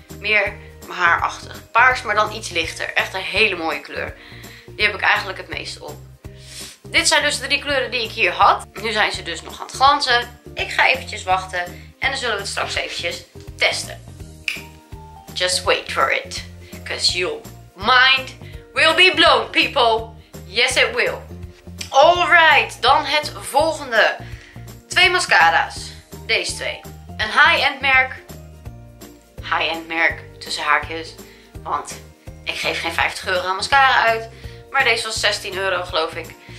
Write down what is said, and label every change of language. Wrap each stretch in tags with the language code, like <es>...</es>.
<nl>Meer haarachtig. Paars, maar dan iets lichter. Echt een hele mooie kleur. Die heb ik eigenlijk het meest op. Dit zijn dus de drie kleuren die ik hier had. Nu zijn ze dus nog aan het glanzen. Ik ga eventjes wachten. En dan zullen we het straks eventjes testen.</nl> <en>Just wait for it. Because your mind will be blown, people. Yes, it will.</en> <nl>Alright, dan het volgende. Twee mascara's. Deze twee. Een high-end merk. High-end merk, tussen haakjes. Want ik geef geen 50 euro aan mascara uit. Maar deze was 16 euro, geloof ik.</nl>